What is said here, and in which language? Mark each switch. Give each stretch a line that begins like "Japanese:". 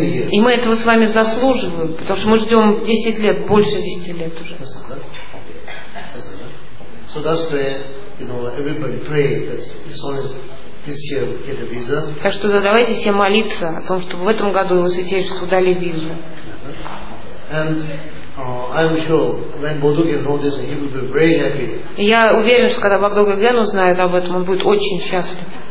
Russian: И мы этого с вами заслуживаем, потому что мы ждем 10 лет, больше 10 лет уже.
English: So that's where, you know, everybody pray that his Holiness this year will get a visa.
Russian: Так что давайте все молиться о том, чтобы в этом году его святейшеству дали визу.
English: And I'm sure when Bodogen knows this, he will be very happy.
Russian: Я уверен, что когда Бабагога Ген узнает об этом, он будет очень счастлив.